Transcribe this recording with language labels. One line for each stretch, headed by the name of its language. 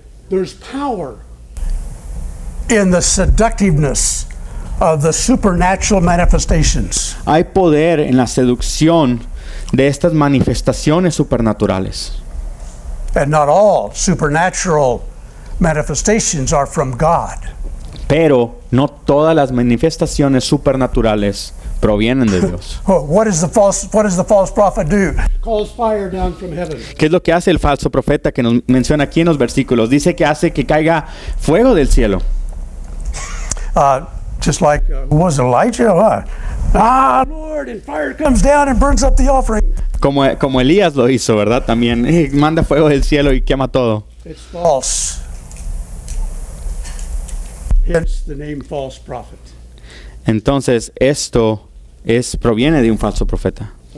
English: There's power in the seductiveness of the supernatural manifestations.
Spanish: Hay poder en la seducción de estas manifestaciones supernaturales.
English: And not all supernatural manifestations are from God.
Spanish: Pero no todas las manifestaciones supernaturales provienen de Dios.
English: What does the false prophet do? Calls fire down from heaven.
Spanish: ¿Qué es lo que hace el falso profeta que nos menciona aquí en los versículos? Dice que hace que caiga fuego del cielo.
English: Just like was Elijah, Lord, and fire comes down and burns up the offering.
Spanish: Como Elías lo hizo, ¿verdad? También manda fuego del cielo y quema todo.
English: It's false. Hence the name false prophet.
Spanish: Entonces esto es proviene de un falso profeta.